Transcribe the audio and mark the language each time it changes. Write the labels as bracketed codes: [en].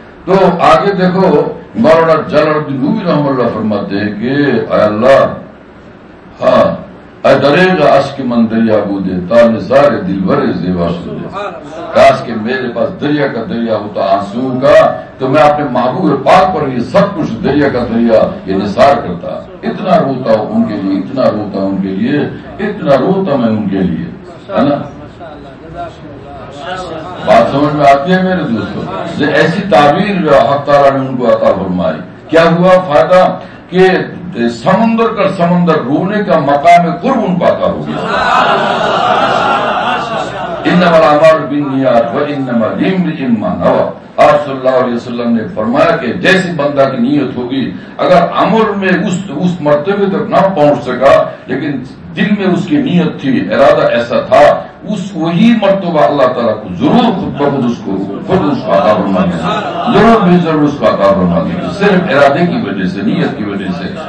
[ur] تو آگے دیکھو مولانا جلال الدین روی رحمۃ اللہ فرماتے ہیں کہ اے اللہ، ہاں [fa] اے دریغ عشق من دریا بودے تا نثار دل بھرے زیبا سودے، [ur] کاش کے میرے پاس دریا کا دریا ہوتا آنسو کا، تو میں اپنے محبوب پاک پر یہ سب کچھ دریا کا دریا یہ نثار کرتا، اتنا روتا ہوں ان کے لیے، اتنا روتا ان کے لیے، اتنا روتا میں ان کے لیے، ہے نا. بات سمجھ میں آتی ہے میرے دوستو؟ ایسی تعبیر حق تعالیٰ نے ان کو عطا فرمائی. کیا ہوا فائدہ؟ کہ سمندر کا سمندر رونے کا مقام قرب ان پاتا ہو گیا. [ar] انما الاعمال بالنیات وانما لامرئ ما نوى. [ur] آپ صلی اللہ علیہ وسلم نے فرمایا کہ جیسی بندہ کی نیت ہوگی، اگر عمل میں اس مرتبے تک نہ پہنچ سکا لیکن دل میں اس کی نیت تھی، ارادہ ایسا تھا، اس وہی مرتبہ اللہ تعالیٰ کو ضرور خود بخود اس کو خود اس کا عطا فرما دیں گے، ضرور بھی ضرور اس کا عطا فرما دیں گے، صرف ارادے کی وجہ سے، نیت کی وجہ سے.